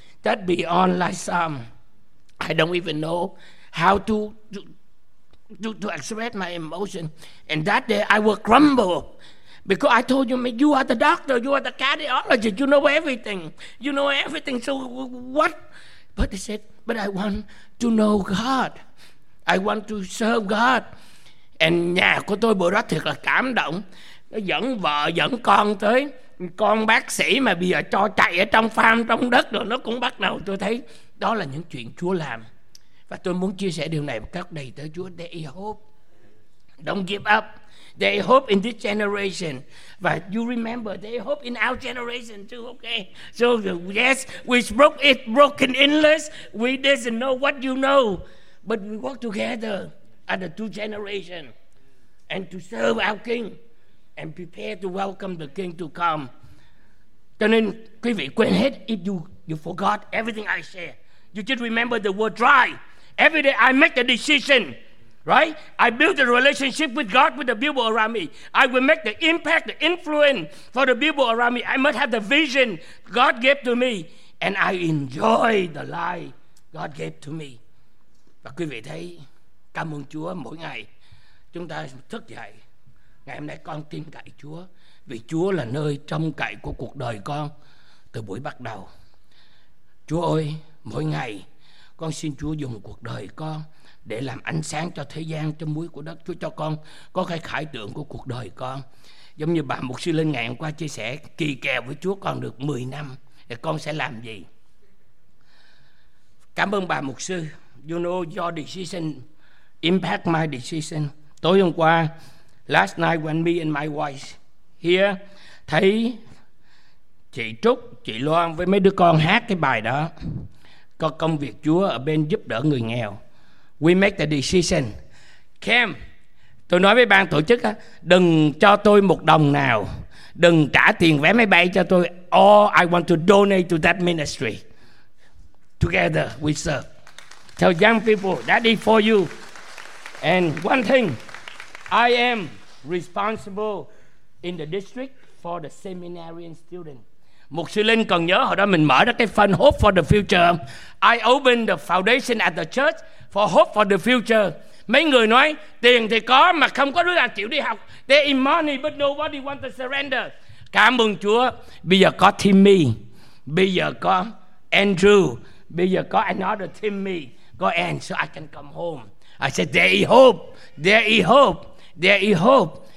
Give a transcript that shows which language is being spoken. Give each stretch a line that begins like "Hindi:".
English: That beyond like some. I don't even know how to express my emotion. And that day I will crumble. Because I told you, you are the doctor, you are the cardiologist, you know everything. You know everything, so what? But he said, but I want to know God. I want to serve God.
Vietnamese: And nhà của tôi bữa đó thiệt là cảm động. Nó dẫn vợ, dẫn con tới. Con bác sĩ mà bây giờ cho chạy ở trong farm, trong đất rồi, nó cũng bắt đầu tôi thấy đó là những chuyện Chúa làm. Và tôi muốn chia sẻ điều này một cách đầy tới Chúa.
English: They hope. Don't give up. They hope in this generation.
Vietnamese: Và
English: you remember, they hope in our generation too, okay? So yes, we broke it, broken endless. We doesn't know what you know. But we work together as the 2 generation. And to serve our King. And prepare to welcome the King to come.
Vietnamese: Cho nên quý vị quên hết.
English: If you forgot everything I share, you just remember the word dry. Every day I make a decision, right? I build a relationship with God, with the people around me. I will make the impact, the influence for the people around me. I must have the vision God gave to me, and I enjoy the life God gave to me.
Vietnamese: Và quý vị thấy, cảm ơn Chúa mỗi ngày chúng ta thức dậy. Ngày hôm nay con tin cậy Chúa, vì Chúa là nơi trông cậy của cuộc đời con từ buổi bắt đầu. Chúa ơi, mỗi ngày con xin Chúa dùng cuộc đời con để làm ánh sáng cho thế gian, cho muối của đất. Chúa cho con có cái khải tượng của cuộc đời con. Giống như bà mục sư Linh ngày hôm qua chia sẻ, kỳ kèo với Chúa còn được 10 năm thì con sẽ làm gì. Cảm ơn bà mục sư.
English: You know your decision impact my decision.
Vietnamese: Tối hôm qua,
English: last night when me and my wife here,
Vietnamese: thấy chị Trúc, chị Loan với mấy đứa con hát cái bài đó, có công việc Chúa ở bên giúp đỡ người nghèo.
English: We make the decision.
Vietnamese: Cam, tôi nói với ban tổ chức á, đừng cho tôi 1 đồng nào, đừng trả tiền vé máy bay cho tôi.
English: All I want to donate to that ministry. Together we serve. Tell young people that is for you. And one thing, I am responsible in the district for the seminarian student.
Vietnamese: Mục sư Linh còn nhớ hồi đó mình mở ra cái fund Hope for the Future.
English: I opened the foundation at the church for Hope for the Future.
Vietnamese: Mấy người nói tiền thì có mà không có đứa nào chịu đi học.
English: They in money but nobody want to surrender.
Vietnamese: Cảm ơn Chúa. Bây giờ có Timmy, bây giờ có Andrew, bây giờ có
English: another
Vietnamese: Timmy, có Anne,
English: so I can come home. I said there is hope, there is hope, there is hope.